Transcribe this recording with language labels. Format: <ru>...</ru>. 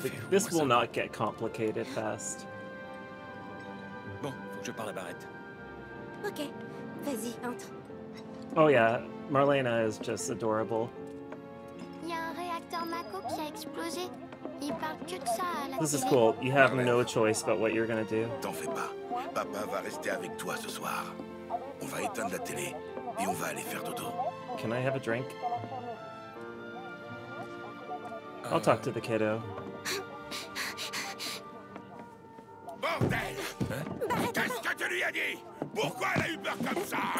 <en>This will not get complicated fast.</en> <fr>Bon, faut que je parle à Barrette. Ok, vas-y, entre.</fr> <en>Oh yeah, Marlena is just adorable.</en> <fr>Il y a un réacteur Mako qui a explosé. Il parle que de ça à la télé.</fr> <en>This is cool. You have no choice but what you're gonna do.</en> <fr>T'en fais pas. Papa va rester avec toi ce soir. On va éteindre la télé et on va aller faire dodo.</fr> <en>Can I have a drink? I'll talk to the kiddo.</en> <fr>Bordel! Hein? Qu'est-ce que tu lui as dit? Pourquoi elle a eu peur comme ça?</fr>